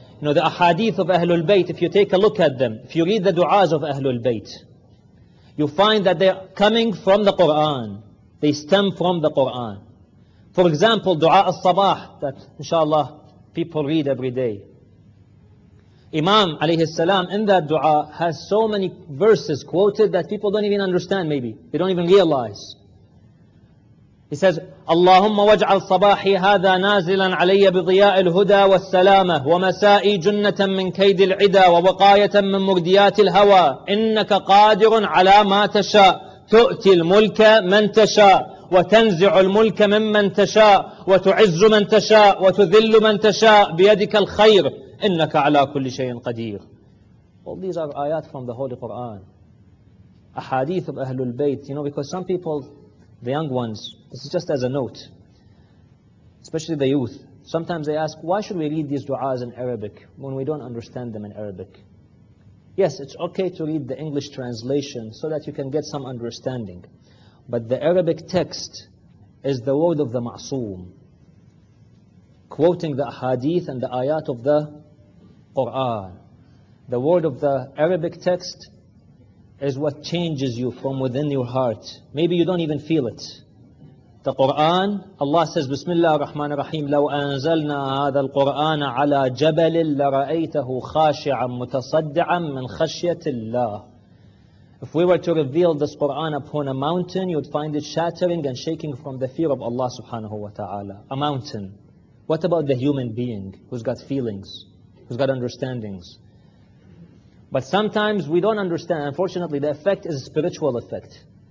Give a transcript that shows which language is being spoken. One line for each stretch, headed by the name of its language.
English: You know, the ahadith of Ahlul Bayt, if you take a look at them, if you read the du'as of Ahlul Bayt, you find that they're coming from the Qur'an. They stem from the Qur'an. For example, du'a al-sabah, that inshallah people read every day. Imam alayhi salam in that du'a has so many verses quoted that people don't even understand maybe. They don't even realize.
Arabic: He says, اللهم واجعل صباحي هذا نازلا علي بضياء الهدى والسلامة ومسائي جنة من كيد العدا ووقاية من مرديات الهوى إنك قادر على ما تشاء تؤتي الملك من تشاء وتنزع الملك ممن تشاء وتعز من تشاء وتذل من تشاء بيدك الخير إنك على كل شيء قدير
English: All these are ayat from the Holy Quran. Ahadith of Ahlul Bayt. You know, because some people, the young ones, this is just as a note, especially the youth. Sometimes they ask, why should we read these du'as in Arabic when we don't understand them in Arabic? Yes, it's okay to read the English translation so that you can get some understanding. But the Arabic text is the word of the ma'soom, quoting the ahadith and the ayat of the Quran. The word of the Arabic text is what changes you from within your heart. Maybe you don't even feel it. The Quran, Allah says,
Arabic: Bismillah ar-Rahman ar-Rahim, لو أنزلنا هذا القرآن على جبل لرأيته خاشعا متصدعا من خشية الله.
English: If we were to reveal this Quran upon a mountain, you'd find it shattering and shaking from the fear of Allah subhanahu wa ta'ala. A mountain. What about the human being who's got feelings, who's got understandings? But sometimes we don't understand. Unfortunately, the effect is a spiritual effect.